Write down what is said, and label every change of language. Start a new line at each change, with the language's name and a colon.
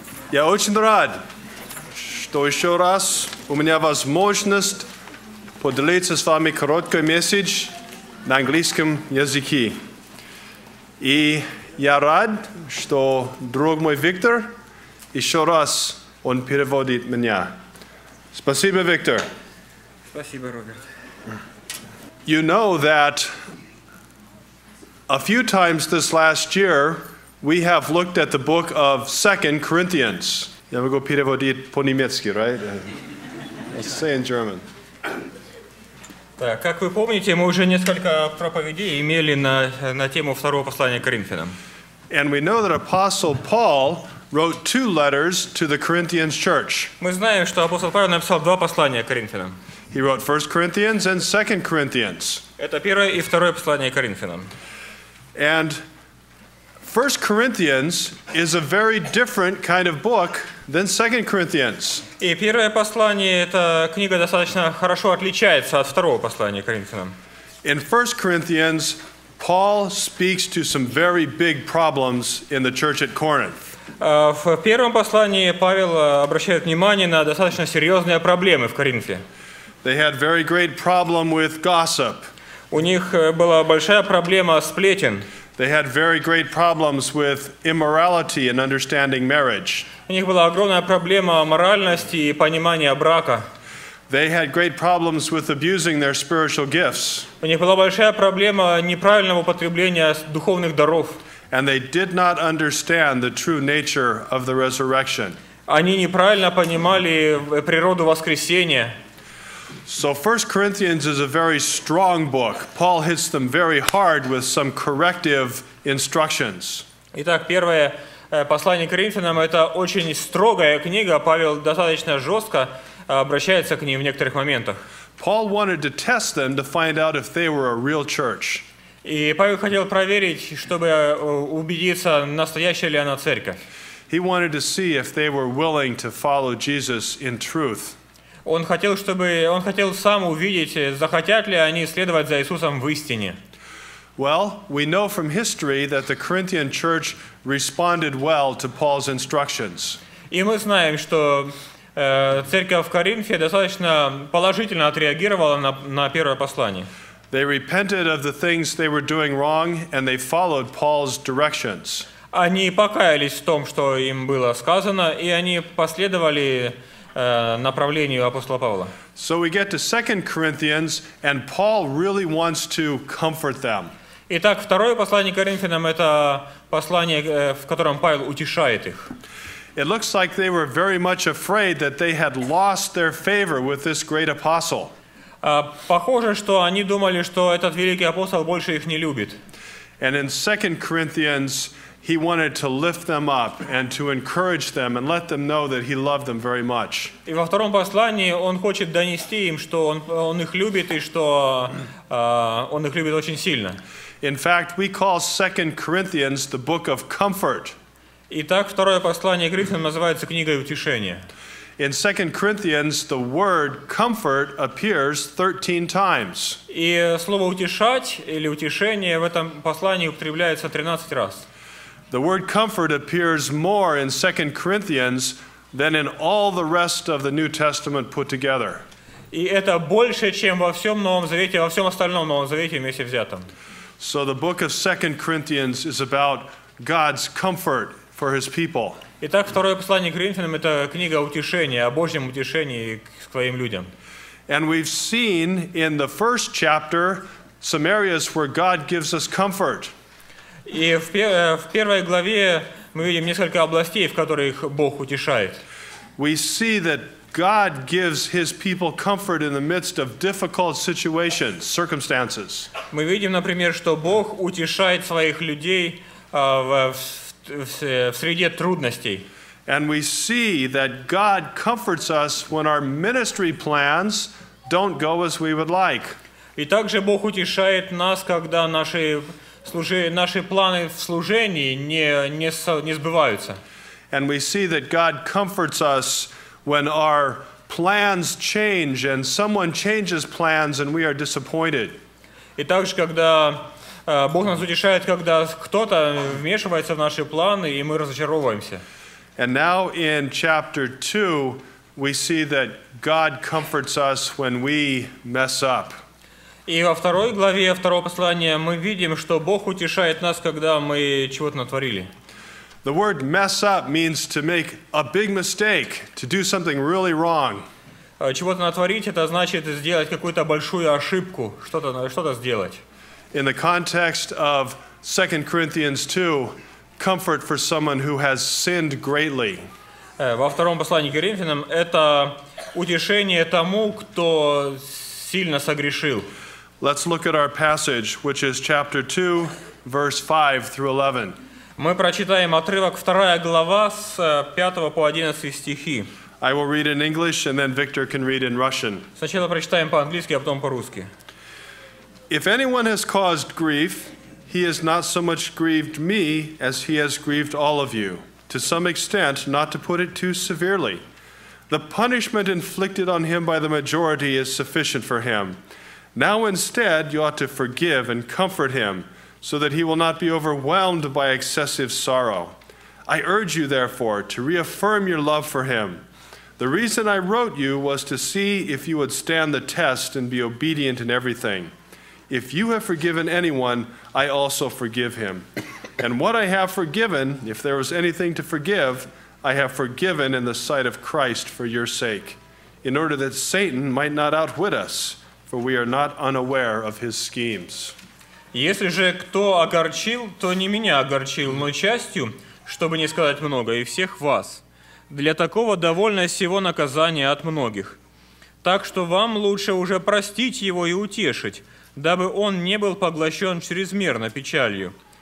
Russian: Я очень рад, что еще раз у меня возможность поделиться с вами короткой месседж на английском языке. И я рад, что друг мой Виктор еще раз он переводит меня. Спасибо, Виктор! Спасибо, Роберт!
English: You know that a few times this last year, we have looked at the book of 2 Corinthians.
Russian: Я могу переводить по-немецки, right?
English: Let's say in German.
Russian: Так, как вы помните, мы уже несколько проповедей имели на тему второго послания к Коринфянам.
English: And we know that Apostle Paul wrote two letters to the Corinthians church.
Russian: Мы знаем, что апостол Павел написал два послания к Коринфянам.
English: He wrote 1 Corinthians and 2 Corinthians.
Russian: Это первое и второе послание к Коринфянам.
English: And 1 Corinthians is a very different kind of book than 2 Corinthians.
Russian: И первое послание, эта книга достаточно хорошо отличается от второго послания к Коринфянам.
English: In 1 Corinthians, Paul speaks to some very big problems in the church at Corinth.
Russian: В первом послании Павел обращает внимание на достаточно серьезные проблемы в Коринфе.
English: They had very great problem with gossip.
Russian: У них была большая проблема сплетен.
English: They had very great problems with immorality and understanding marriage.
Russian: У них была огромная проблема моральности и понимания брака.
English: They had great problems with abusing their spiritual gifts.
Russian: У них была большая проблема неправильного употребления духовных даров.
English: And they did not understand the true nature of the resurrection.
Russian: Они неправильно понимали природу воскресения.
English: So 1 Corinthians is a very strong book. Paul hits them very hard with some corrective instructions.
Russian: Итак, первое послание к Коринфянам это очень строгая книга. Павел достаточно жестко обращается к ним в некоторых моментах.
English: Paul wanted to test them to find out if they were a real church.
Russian: И Павел хотел проверить, чтобы убедиться, настоящая ли она церковь.
English: He wanted to see if they were willing to follow Jesus in truth.
Russian: Он хотел сам увидеть, захотят ли они следовать за Иисусом в истине.
English: Well, we know from history that the Corinthian church responded well to Paul's instructions.
Russian: И мы знаем, что церковь в Коринфе достаточно положительно отреагировала на первое послание.
English: They repented of the things they were doing wrong and they followed Paul's directions.
Russian: Они покаялись в том, что им было сказано, и они последовали направлению апостола Павла.
English: So we get to 2 Corinthians, and Paul really wants to comfort them.
Russian: Итак, второе послание к Коринфянам это послание, в котором Павел утешает их.
English: It looks like they were very much afraid that they had lost their favor with this great apostle.
Russian: Похоже, что они думали, что этот великий апостол больше их не любит.
English: And in 2 Corinthians, he wanted to lift them up and to encourage them and let them know that he loved them very much.
Russian: И во втором послании он хочет донести им, что он их любит и что он их любит очень сильно.
English: In fact, we call 2 Corinthians the book of comfort.
Russian: Итак, второе послание к Коринфянам называется книгой утешения.
English: In 2 Corinthians, the word comfort appears 13 times.
Russian: И слово утешать или утешение в этом послании употребляется 13 раз.
English: The word comfort appears more in 2 Corinthians than in all the rest of the New Testament put together.
Russian: И это больше, чем во всем Новом Завете, во всем остальном Новом Завете вместе взятом.
English: So the book of 2 Corinthians is about God's comfort for his people.
Russian: Итак, второе послание к Коринфянам это книга утешения, о Божьем утешении к своим людям.
English: And we've seen in the first chapter some areas where God gives us comfort.
Russian: И в первой главе мы видим несколько областей, в которых Бог утешает.
English: We see that God gives his people comfort in the midst of difficult situations, circumstances.
Russian: Мы видим, например, что Бог утешает своих людей в среде трудностей.
English: And we see that God comforts us when our ministry plans don't go as we would like.
Russian: И также Бог утешает нас, когда наши планы в служении не сбываются.
English: And we see that God comforts us when our plans change and someone changes plans and we are disappointed.
Russian: И также когда Бог нас утешает, когда кто-то вмешивается в наши планы и мы разочаровываемся.
English: And now in chapter 2 we see that God comforts us when we mess up.
Russian: И во второй главе второго послания мы видим, что Бог утешает нас, когда мы чего-то натворили.
English: The word mess up means to make a big mistake, to do something really wrong.
Russian: Чего-то натворить, это значит сделать какую-то большую ошибку, что-то сделать.
English: In the context of 2 Corinthians 2, comfort for someone who has sinned greatly.
Russian: Во втором послании к Коринфянам это утешение тому, кто сильно согрешил.
English: Let's look at our passage, which is chapter 2, verse 5 through 11.
Russian: Мы прочитаем отрывок 2 глава с 5 по 11 стихи.
English: I will read in English and then Victor can read in Russian.
Russian: Сначала прочитаем по-английски, а потом по-русски.
English: If anyone has caused grief, he has not so much grieved me as he has grieved all of you, to some extent, not to put it too severely. The punishment inflicted on him by the majority is sufficient for him. Now instead, you ought to forgive and comfort him, so that he will not be overwhelmed by excessive sorrow. I urge you, therefore, to reaffirm your love for him. The reason I wrote you was to see if you would stand the test and be obedient in everything. If you have forgiven anyone, I also forgive him. And what I have forgiven, if there was anything to forgive, I have forgiven in the sight of Christ for your sake, in order that Satan might not outwit us, for we are not unaware of his schemes.
Russian: Если же кто огорчил, то не меня огорчил, но частью, чтобы не сказать много, и всех вас. Для такого довольно сего наказания от многих. Так что вам лучше уже простить его и утешить, дабы он не был поглощен чрезмерно печалью.